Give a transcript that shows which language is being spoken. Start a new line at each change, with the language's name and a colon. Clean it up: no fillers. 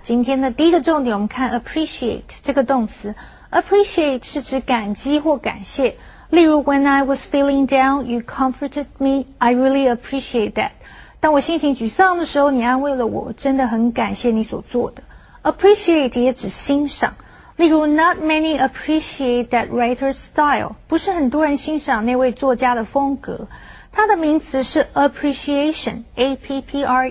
Chinese: 今天的第一个重点我们看 appreciate 这个动词。 appreciate 是指感激或感谢。
English: 例如 when I was feeling down, you comforted me. I really appreciate that.
Chinese: 当我心情沮丧的时候你安慰了我真的很感谢你所做的。 appreciate 也指欣赏。
English: 例如 not many appreciate that writer's style.
Chinese: 不是很多人欣赏那位作家的风格。它的名词是 appreciation, A-P-P-R-E-C-I-A-T-I-O-N.